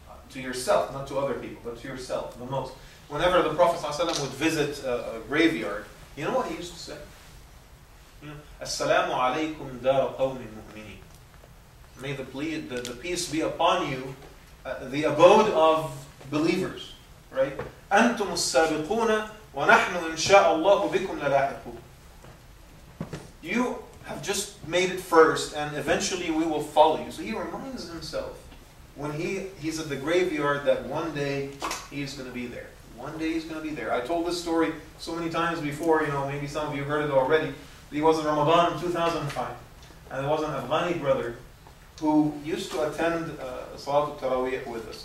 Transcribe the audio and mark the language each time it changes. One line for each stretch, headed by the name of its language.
English: To yourself, not to other people, but to yourself the most. Whenever the Prophet ﷺ would visit a graveyard, you know what he used to say? You know,
Arabic: As-salamu alaykum dar qawmin mu'mini.
English: May the peace be upon you, the abode of believers, right?
Arabic: أنتم السابقون ونحن إن شاء الله بكم للاحقون.
English: You have just made it first, and eventually we will follow you. So he reminds himself when he's at the graveyard that one day he's going to be there. One day he's going to be there. I told this story so many times before. You know, maybe some of you heard it already. He was in Ramadan in 2005, and there was an Afghani brother who used to attend Salat al-Tarawih with us.